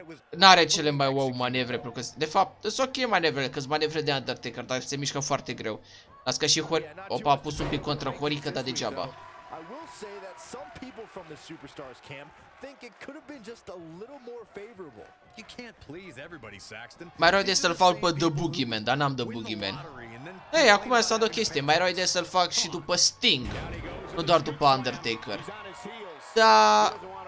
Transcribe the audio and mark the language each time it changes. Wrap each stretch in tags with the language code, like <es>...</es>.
<ro>N-are cele mai wow manevre, pentru că, de fapt, sunt ok manevrele, că sunt manevre de Undertaker, dar se mișcă foarte greu. Lasă că și Hori... Opa, a pus un pic contra Horica, dar degeaba.</ro> <en>say that some people from the Superstars camp think it could have been just a little more favorable. You can't please everybody, Saxton.</en> <ro>Mai rău de să-l fac pe The Boogeyman, dar n-am The Boogeyman. Ei, acum s-a dat o chestie, mai rău de să-l fac și după Sting, nu doar după Undertaker. Dar...</ro>